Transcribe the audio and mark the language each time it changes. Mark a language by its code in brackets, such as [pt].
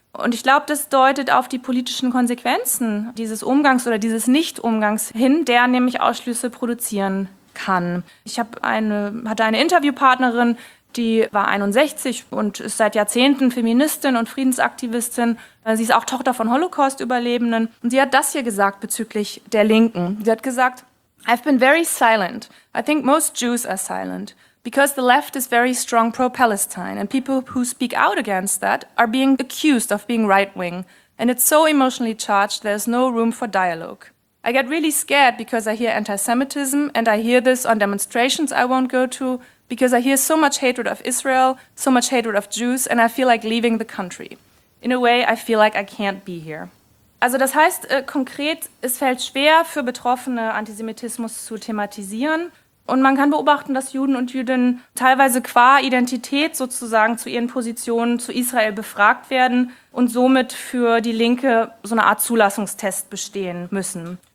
[de] Und ich glaube, das deutet auf die politischen Konsequenzen dieses Umgangs oder dieses Nicht-Umgangs hin, der nämlich Ausschlüsse produzieren kann. Ich hatte eine Interviewpartnerin, die war 61 und ist seit Jahrzehnten Feministin und Friedensaktivistin. Sie ist auch Tochter von Holocaust-Überlebenden. Und sie hat das hier gesagt bezüglich der Linken. Sie hat gesagt: [en] "I've been very silent. I think most Jews are silent. Because the left is very strong pro-Palestine, and people who speak out against that are being accused of being right-wing. And it's so emotionally charged, there's no room for dialogue. I get really scared because I hear anti-Semitism, and I hear this on demonstrations I won't go to, because I hear so much hatred of Israel, so much hatred of Jews, and I feel like leaving the country. In a way, I feel like I can't be here." [de] Also das heißt konkret, es fällt schwer für Betroffene, Antisemitismus zu thematisieren. Und man kann beobachten, dass Juden und Jüdinnen teilweise qua Identität sozusagen zu ihren Positionen zu Israel befragt werden und somit für die Linke so eine Art Zulassungstest bestehen müssen.